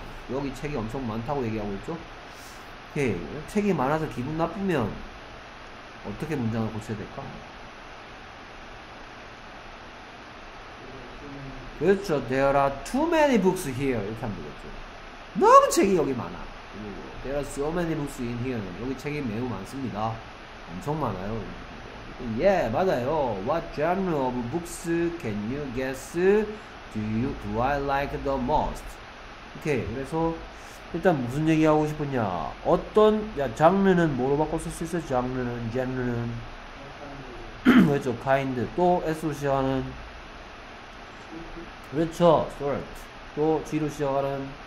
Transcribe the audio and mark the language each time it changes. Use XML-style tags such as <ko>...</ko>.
<ko>여기 책이 엄청 많다고 얘기하고 있죠? 오케이. 책이 많아서 기분 나쁘면 어떻게 문장을 고쳐야 될까? 그렇죠.</ko> <en>There are too many books here.</en> <ko>이렇게 하면 되겠죠. 너무 책이 여기 많아.</ko> <en>There are so many books in here.</en> <ko>여기 책이 매우 많습니다. 엄청 많아요. 예, 맞아요.</ko> <en>What genre of books can you guess do I like the most?</en> <ko>오케이. 그래서 일단 무슨 얘기하고 싶었냐. 어떤, 야, 장르는 뭐로 바꿔 쓸 수 있어? 장르는, genre는. 그렇죠. kind. 또 associate는. 그렇죠. sort. 또 G로 시작하는.</ko>